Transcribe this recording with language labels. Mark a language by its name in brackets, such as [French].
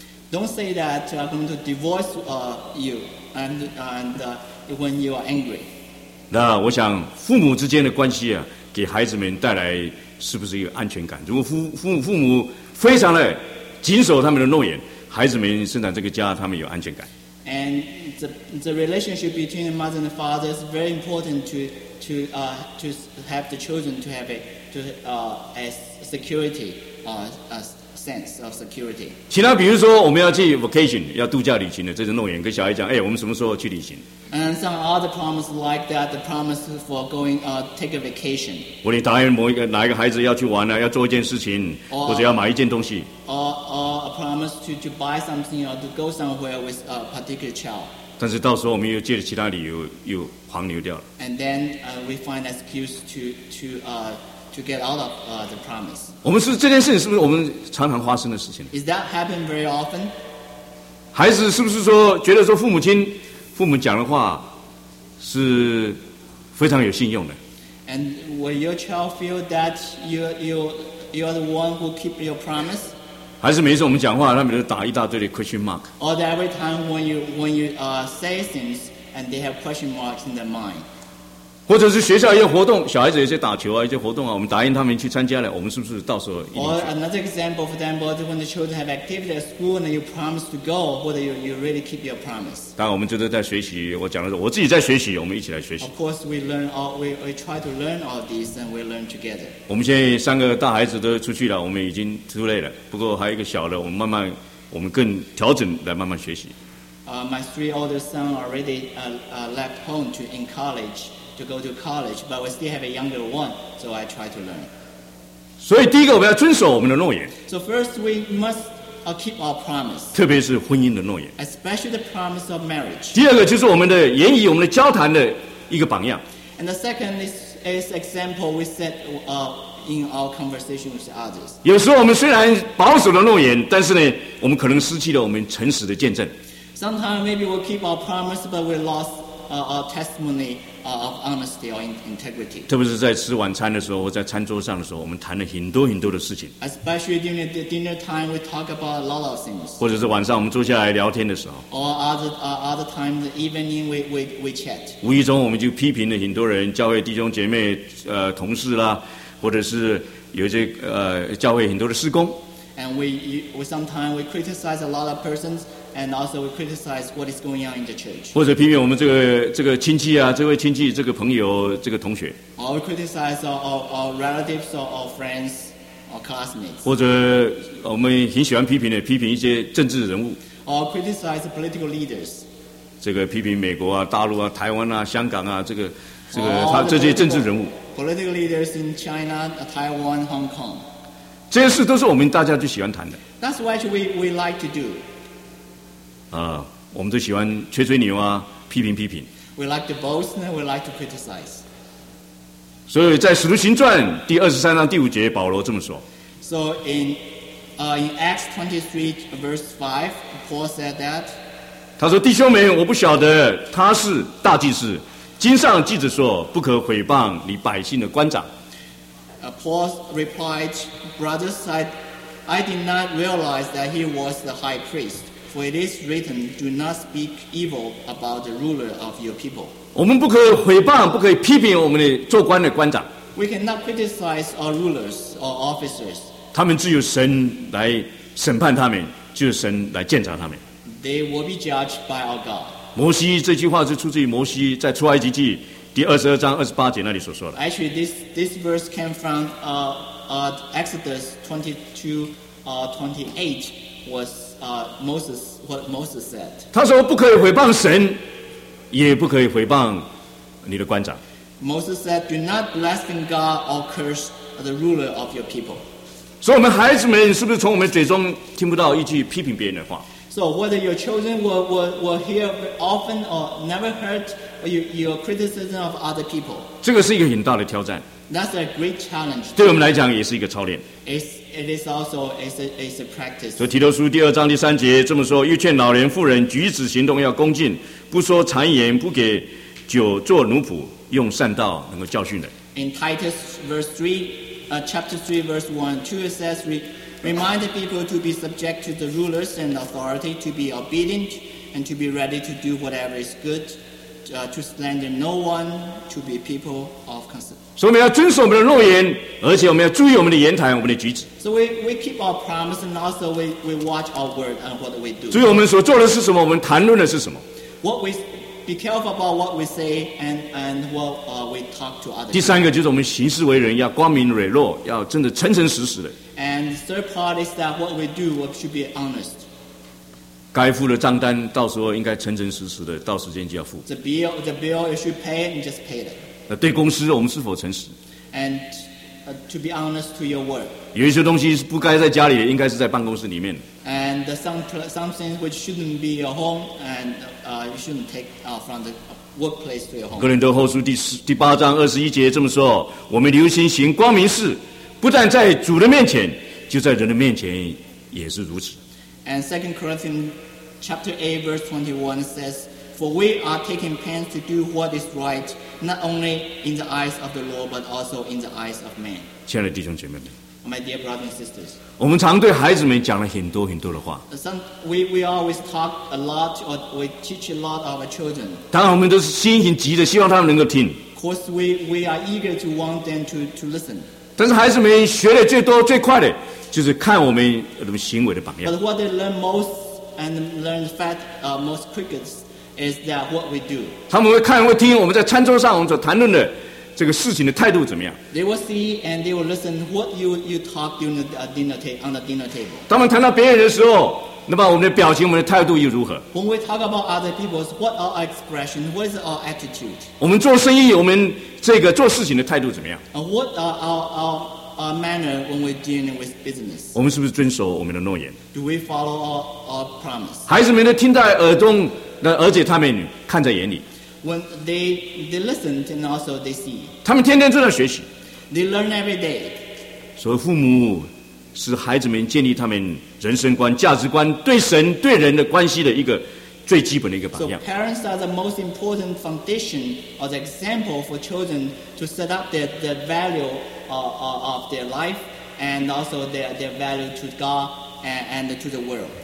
[English] Don't say that I'm going to divorce you and when you are angry. [Chinese] 那我想父母之间的关系啊，给孩子们带来是不是一个安全感，如果父母非常的谨守他们的诺言，孩子们生长这个家，他们有安全感。 [English] And the relationship between the mother and the father is very important to have the children to have it to as security as sense of security. [Chinese] 其他比如说我们要去 vacation 要度假旅行的，这是诺言，跟小孩讲，哎，我们什么时候去旅行 [English] ？And some other promise like that, the promise for going take a vacation. [Chinese] 我得答应某一个哪一个孩子要去玩了、啊，要做一件事情， [English] or, [Chinese] 或者要买一件东西。 [English] Or a promise to buy something or to go somewhere with a particular child. [Chinese] 但是到时候我们又借着其他理由又黄牛掉了。 [English] And then we find excuse to get out of the promise. [Chinese] 我们是这件事情是不是我们常常发生的事情 [English] ？Is that happen very often? [Chinese] 孩子是不是说觉得说父母亲父母讲的话是非常有信用的。 [English] And will your child feel that you are the one who keep your promise? [Chinese] 还是每次我们讲话，他们就打一大堆的 [English] question mark? Or that every time when you say things and they have question marks in their mind? [Chinese] 或者是学校一些活动，小孩子有些打球啊，一些活动啊，我们答应他们去参加了，我们是不是到时候 [English] ？Or another example for them, but when the children have activity at school and you promise to go, whether you really keep your promise? [Chinese] 当然，我们就是在学习。我讲的是我自己在学习，我们一起来学习。 [English] Of course, we try to learn all these and we learn together. [Chinese] 我们现在三个大孩子都出去了，我们已经 [English] too late [Chinese] 了。不过还有一个小的，我们更调整来慢慢学习。 [English] My three older sons already left home to in college. To go to college, but we still have a younger one, so I try to learn. [Chinese] 所以第一个我们要遵守我们的诺言。 [English] So first, we must keep our promise. [Chinese] 特别是婚姻的诺言。 [English] Especially the promise of marriage. [Chinese] 第二个就是我们的言语、我们的交谈的一个榜样。 [English] And the second is example we set in our conversation with others. [Chinese] 有时候我们虽然保守的诺言，但是呢，我们可能失去了我们诚实的见证。 [English] Sometimes maybe we keep our promise, but we lost our testimony. Of honesty or integrity. [Chinese] 特别是在吃晚餐的时候，或在餐桌上的时候，我们谈了很多很多的事情。 [English] Especially during the dinner time, we talk about a lot of things. [Chinese] 或者是晚上我们坐下来聊天的时候。 [English] Or other times, evening we chat. [Chinese] 无意中我们就批评了很多人，教会弟兄姐妹、同事啦，或者是有些教会很多的事工。 [English] And we sometimes we criticize a lot of persons. And also, we criticize what is going on in the church. [Chinese] 或者批评我们这个亲戚啊，这位亲戚、这个朋友、这个同学。 [English] Or we criticize our relatives or our friends or classmates. [Chinese] 或者我们很喜欢批评的，批评一些政治人物。 [English] Or criticize political leaders. [Chinese] 这个批评美国啊、大陆啊、台湾啊、香港啊，这个他这些政治人物。 [English] Political leaders in China, Taiwan, Hong Kong. [Chinese] 这些事都是我们大家就喜欢谈的。 [English] That's what we like to do. [Chinese] 我们都喜欢吹吹牛啊，批评。 [English] We like to boast and we like to criticize. [Chinese] 所以在《使徒行传》第二十三章第五节，保罗这么说。 [English] So in Acts 23 verse 5, Paul said that. [Chinese] 他说：“弟兄们，我不晓得他是大祭司。经上记着说，不可毁谤你百姓的官长。 [English] ”Paul replied, "Brothers, I did not realize that he was the high priest." For it is written, "Do not speak evil about the ruler of your people." [Chinese] 我们不可以毁谤，不可以批评我们的做官的官长。 [English] We cannot criticize our rulers or officers. [Chinese] 他们只有神来审判他们，只有神来鉴察他们。 [English] They will be judged by our God. [Chinese] 摩西这句话是出自于摩西在出埃及记第二十二章二十八节那里所说的。 [English] Actually, this verse came from Exodus 22, 28 was. Moses, what Moses said. [Chinese] 他说不可以毁谤神，也不可以毁谤你的官长。 [English] Moses said, "Do not blaspheme God or curse the ruler of your people." [Chinese] 所以我们孩子们是不是从我们嘴中听不到一句批评别人的话 [English] ？So whether your children will hear often or never heard your criticism of other people. [Chinese] 这个是一个很大的挑战。 [English] That's a great challenge. [Chinese] 对我们来讲也是一个操练。 [English] It is also a practice. [Chinese] 所以提多书第二章第三节这么说：又劝老人、妇人，举止行动要恭敬，不说谗言，不给酒做奴仆，用善道能够教训人。 [English] In Titus verse 3, chapter 3, verse 1-2, it says, "Remind the people to be subject to the rulers and authority, to be obedient, and to be ready to do whatever is good, to slander no one, to be people of concern." [Chinese] 所以我们要遵守我们的诺言，而且我们要注意我们的言谈、我们的举止。 [English] So we keep our promise and also we watch our word and what we do. [Chinese] 注意我们所做的是什么，我们谈论的是什么。 [English] What we be careful about what we say and what we talk to others. [Chinese] 第三个就是我们行事为人要光明磊落，要真的诚诚实实的。 [English] And the third part is that what we do what should be honest. [Chinese] 该付的账单，到时候应该诚诚实实的，到时间就要付。 [English] The bill you should pay and just pay it. [Chinese] 对公司我们是否诚实 [English] and, to be honest to your word. [Chinese] 有一些东西是不该在家里的应该是在办公室里面 [English] and some things which shouldn't be your home and you shouldn't take from the workplace to your home [Chinese] 哥林多后书 第八章二十一节这么说我们留心行光明事不但在主的面前就在人的面前也是如此 [English] and 2 Corinthians chapter 8 verse 21 says For we are taking pains to do what is right, not only in the eyes of the Lord, but also in the eyes of man. [Chinese] 亲爱的弟兄姐妹们， [English] My dear brothers and sisters, [Chinese] 我们常对孩子们讲了很多很多的话。 [English] We always talk a lot, or we teach a lot of our children. [Chinese] 当然我们都是心情急着希望他们能够听。 [English] Of course, we are eager to want them to listen. [Chinese] 但是孩子们学的最多最快的就是看我们的行为的榜样。 [English] But what they learn most and learn fast, most quickest is that what we do. [Chinese] 他们会看会听我们在餐桌上我们所谈论的这个事情的态度怎么样。 [English] They will see and they will listen what you talk during the dinner table, on the dinner table. [Chinese] 当我们谈到别人的时候，那么我们的表情我们的态度又如何。 [English] When we talk about other people, what are our expressions, what is our attitude? [Chinese] 我们做生意我们这个做事情的态度怎么样。 [English] What are our manner when we're dealing with business? [Chinese] 我们是不是遵守我们的诺言。 [English] Do we follow our promise? [Chinese] 孩子们都听在耳中，而且他们看在眼里。 [English] When they listen and also they see. [Chinese] 他们天天都在学习。 [English] They learn every day. [Chinese] 所以父母是孩子们建立他们人生观、价值观、对神、对人的关系的一个最基本的一个榜样。 [English] So parents are the most important foundation or the example for children to set up their value of their life and also their value to God and to the world.